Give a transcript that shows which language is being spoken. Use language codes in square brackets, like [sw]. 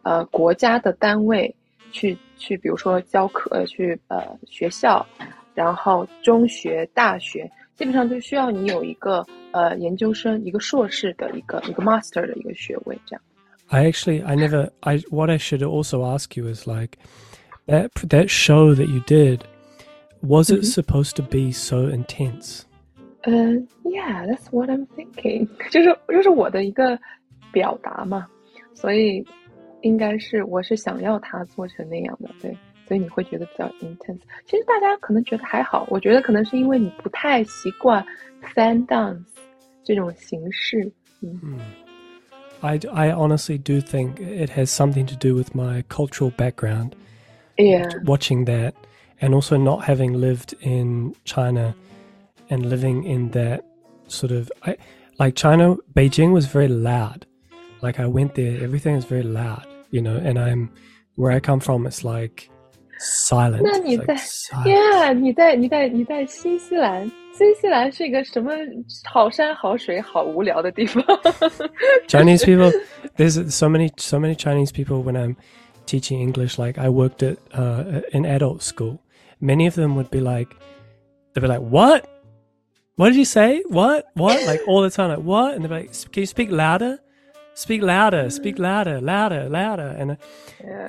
[zh] 国家的单位去比如说教课去学校，然后中学大学，基本上就需要你有一个研究生，一个硕士的一个 master 的一个学位这样。 [en] What I should also ask you is like that show that you did, was it supposed to be so intense? Yeah, that's what I'm thinking. [zh] 就是我的一个表达嘛，所以应该是我是想要它做成那样的，对，所以你会觉得比较 intense. 其实大家可能觉得还好，我觉得可能是因为你不太习惯 fan dance 这种形式， [en] I honestly do think it has something to do with my cultural background. Yeah. Watching that and also not having lived in China and living in that sort of... Beijing was very loud. Like I went there, everything is very loud, you know, and I'm... Where I come from, it's like silent. [zh] 那你在, [en] like silent. Yeah, [zh] 你在新西兰。新西兰是一个什么好山好水好无聊的地方 [en] Chinese people, there's so many Chinese people when I'm teaching English, like I worked at an adult school. Many of them would be like, they'd be like, what? What did you say? What? What? Like all the time, like what? And they'd be like, can you speak louder? Speak louder, speak louder, louder, louder. And, yeah.